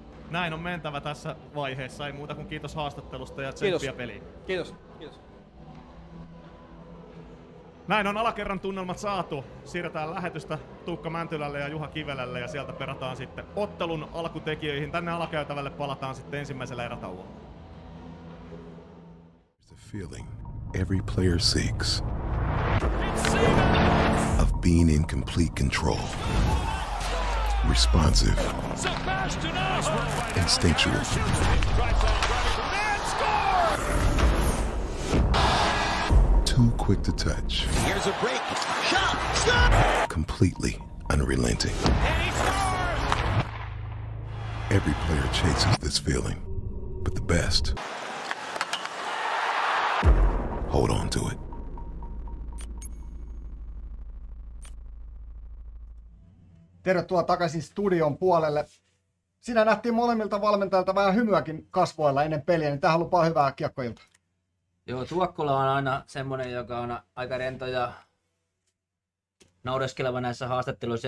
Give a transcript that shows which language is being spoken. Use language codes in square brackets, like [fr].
[fi] Näin on mentävä tässä vaiheessa, ei muuta kuin kiitos haastattelusta ja tsemppiä peliin. Kiitos. Kiitos. Näin on alakerran tunnelmat saatu. Siirretään lähetystä Tuukka Mäntylälle ja Juha Kivelälle ja sieltä perataan sitten ottelun alkutekijöihin. Tänne alakäytävälle palataan sitten ensimmäisellä erätauolla. [en] The feeling every player seeks. Of being in complete control, responsive, instinctual. Too quick to touch. Here's a break. Shot. Completely unrelenting. And he scores! Every player chases this feeling, but the best hold on to it. [fi] Tervetuloa takaisin studion puolelle. Siinä nähtiin molemmilta valmentajilta vähän hymyäkin kasvoilla ennen peliä, niin tämähän lupaa hyvää kiekkoilta. Joo, Tuokkola on aina semmoinen, joka on aika rento ja naureskeleva näissä haastatteluissa.